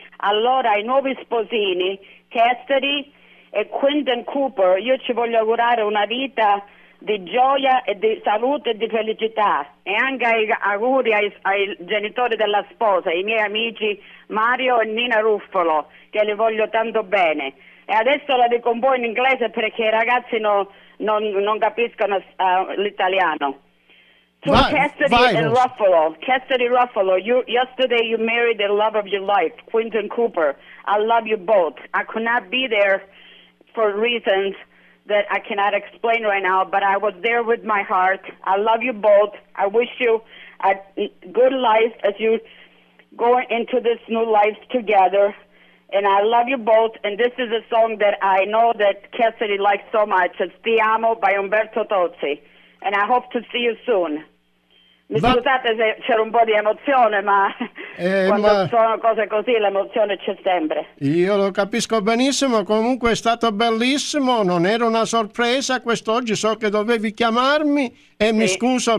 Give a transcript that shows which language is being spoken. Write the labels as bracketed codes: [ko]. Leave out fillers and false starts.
[it] Allora, i nuovi sposini... Chesteri e Quinton Cooper, io ci voglio augurare una vita di gioia e di salute e di felicità, e anche ai auguri ai genitori della sposa, i miei amici Mario e Nina Ruffolo, che li voglio tanto bene. E adesso la dico un po' in inglese perché i ragazzi non capiscono l'italiano. [en] To Chesteri and Ruffalo, Chesteri Ruffalo, yesterday you married the love of your life, Quinton Cooper. I love you both. I could not be there for reasons that I cannot explain right now, but I was there with my heart. I love you both. I wish you a good life as you go into this new life together. And I love you both. And this is a song that I know that Chesteri likes so much. It's Ti Amo by Umberto Tozzi. And I hope to see you soon. [it] Scusate se c'era un po' di emozione, ma sono cose così l'emozione c'è sempre. Io lo capisco benissimo, comunque è stato bellissimo, non era una sorpresa quest'oggi, so che dovevi chiamarmi e sì.